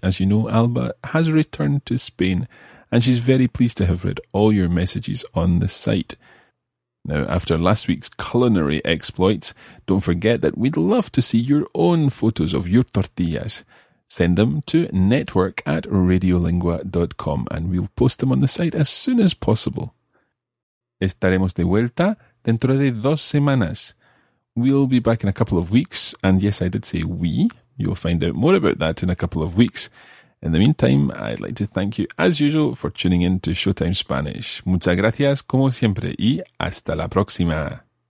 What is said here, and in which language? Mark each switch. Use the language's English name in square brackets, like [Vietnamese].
[English] As you know, Alba has returned to Spain, and she's very pleased to have read all your messages on the site. Now, after last week's culinary exploits, don't forget that we'd love to see your own photos of your tortillas. Send them to network@radiolingua.com, and we'll post them on the site as soon as possible. [Spanish] Estaremos de vuelta dentro de dos semanas. [English] We'll be back in a couple of weeks. And yes, I did say we. You'll find out more about that in a couple of weeks. In the meantime, I'd like to thank you, as usual, for tuning in to Showtime Spanish. [Spanish] Muchas gracias, como siempre, y hasta la próxima.